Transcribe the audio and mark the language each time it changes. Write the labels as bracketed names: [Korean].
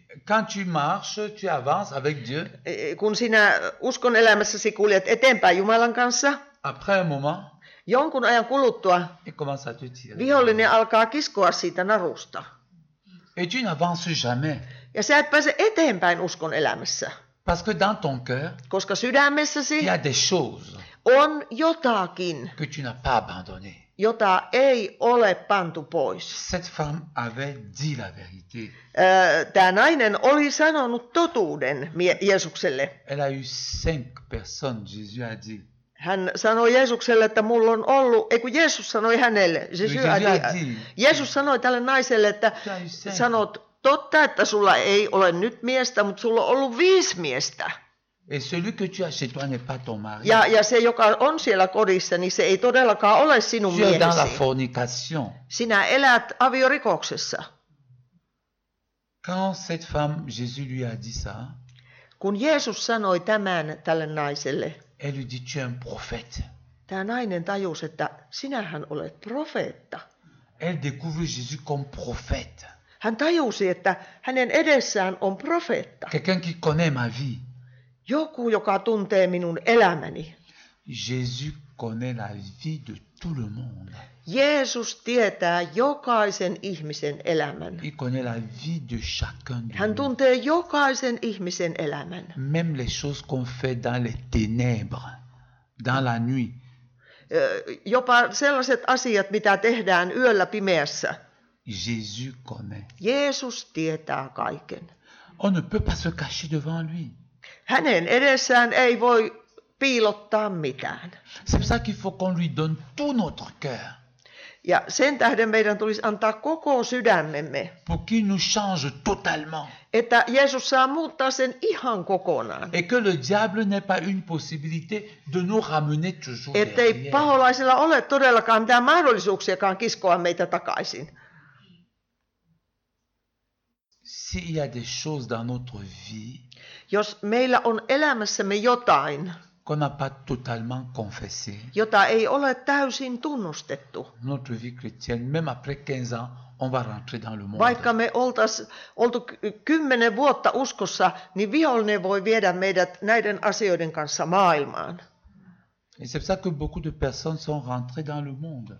[French] Quand tu marches, tu avances avec Dieu. [Finnish] Kun sinä uskon elämässäsi kuljet eteenpäin Jumalan kanssa. [French] Après un moment. [Finnish] Jonkun ajan kuluttua. [French] Et commence à te tirer. [Finnish] Vihollinen alkaa kiskoa siitä narusta. [French] Et tu n'avances jamais. [Finnish] Ja sä et pääse eteenpäin uskon elämässä. [French] Parce que dans ton cœur. [Finnish] Koska sydämessäsi. [French] Il y a des choses. [Finnish] On jotakin. [French] Que tu n'as pas abandonné. [Finnish] Jota ei ole pantu pois. [French] Cette femme avait dit la vérité. [Finnish] Tämä nainen oli sanonut totuuden Jeesukselle. [French] Elle a eu cinq personnes, Jésus a dit. [Finnish] Hän sanoi Jeesukselle, että mulla on ollut, ei kun Jeesus sanoi hänelle. Jeesus sanoi tälle naiselle, että sanot totta, että sulla ei ole nyt miestä, mutta sulla on ollut 5 miestä. [French] Et celui que tu as chez toi n'est pas ton mari. [Finnish] Ja se, joka on siellä kodissa, niin se ei todellakaan ole sinun miehesi. [French] Tu es dans la fornication. [Finnish] Sinä elät aviorikoksessa. [French] Quand cette femme, Jésus lui a dit ça, [Finnish] kun Jeesus sanoi tämän tälle naiselle, [French] elle lui dit, tu es un prophète. [Finnish] Tämä nainen tajusi, että sinähän olet profeetta. [French] Elle découvre Jésus comme prophète. [Finnish] Hän tajusi, että hänen edessään on profeetta. [French] Quelqu'un qui connaît ma vie. [Finnish] Joku, joka tuntee minun elämäni. [French] Jésus connaît la vie de tout le monde. [Finnish] Jeesus tietää jokaisen ihmisen elämän. [French] Il connaît la vie de chacun. [Finnish] Hän tuntee jokaisen ihmisen elämän. [French] Même les choses qu'on fait dans les ténèbres, dans la nuit. [Finnish] Jopa sellaiset asiat, mitä tehdään yöllä pimeässä. [French] Jésus connaît. [Finnish] Jeesus tietää kaiken. [French] On ne peut pas se cacher devant lui. [Finnish] Hänen edessään ei voi piilottaa mitään. [French] C'est ça qu'il faut qu'on lui donne tout notre cœur. [Finnish] Ja sen tähden meidän tulisi antaa koko sydämemme. [French] Pour qu'il nous change totalement. [Finnish] Että Jeesus saa muuttaa sen ihan kokonaan. [French] Et que le diable n'ait pas une possibilité de nous ramener toujours. [Finnish] Ettei paholaisella ole todellakaan mitään mahdollisuuksiakaan kiskoa meitä takaisin. [French] S'il y a des choses dans notre vie, [Finnish] jos meillä on elämässämme jotain, [French] qu'on n'a pas totalement confessé, [Finnish] jota ei ole täysin tunnustettu, [French] notre vie chrétienne, même après 15 ans, on va rentrer dans le monde. [Finnish] Vaikka me oltu 10 vuotta uskossa, niin vihollinen voi viedä meidät näiden asioiden kanssa maailmaan. [French] Et c'est ça que beaucoup de personnes sont rentrées dans le monde.